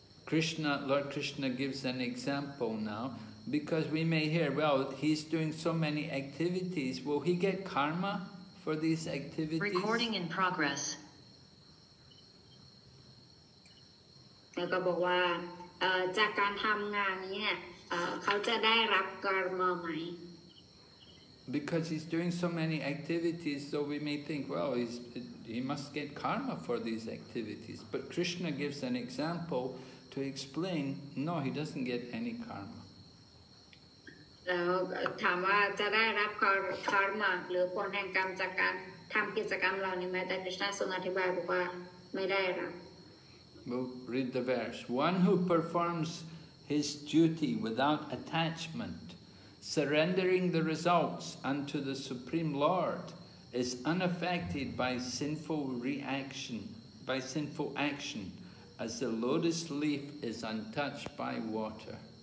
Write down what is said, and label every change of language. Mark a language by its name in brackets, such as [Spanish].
[English] Krishna, Lord Krishna gives an example now because we may hear, well, he's doing so many activities. Will he get karma for these activities? Recording in progress. [Thai] แล้วก็บอกว่าจากการทำงานนี้เนี่ยเขาจะได้รับกรรมไหม [English] Because he's doing so many activities, so we may think, well, he must get karma for these activities. But Krishna gives an example to explain, no, he doesn't get any karma. [Thai] แล้วถามว่าจะได้รับkarma หรือผลแห่งกรรมจากการทำกิจกรรมเหล่านี้ไหมแต่ Krishna ทรงอธิบายบอกว่าไม่ ได้ ครับ [English] We'll read the verse. One who performs his duty without attachment, surrendering the results unto the Supreme Lord, is unaffected by sinful reaction, by sinful action, as the lotus leaf is untouched by water.